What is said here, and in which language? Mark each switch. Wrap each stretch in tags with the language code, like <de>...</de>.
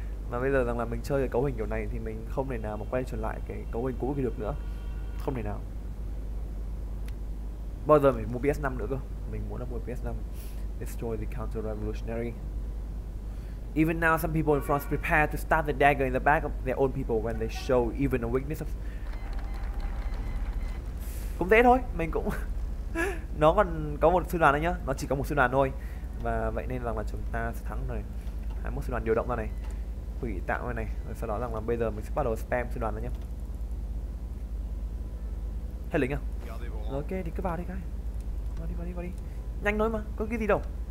<vi>Mà bây giờ rằng là mình chơi cái cấu hình kiểu này thì mình không thể nào mà quay trở lại cái cấu hình cũ thì được nữa. Không thể nào. Bao giờ mình mua PS5 nữa cơ. Mình muốn là mua PS5.</vi> <en>Destroy the counter revolutionary. Even now some people in France prepare to stab the dagger in the back of their own people when they show even a weakness of...</en> <vi>Cũng dễ thôi, mình cũng... Nó còn có một sư đoàn đấy nhá, nó chỉ có một sư đoàn thôi. Và vậy nên rằng là chúng ta sẽ thắng rồi. 21 sư đoàn điều động ra này. Hủy tạo ra này. Rồi sau đó rằng là bây giờ mình sẽ bắt đầu spam sư đoàn ra nhé. Hết lính à? Rồi ok thì cứ vào đi cái. Vào đi vào đi vào đi. Nhanh thôi mà, có cái gì đâu.</vi>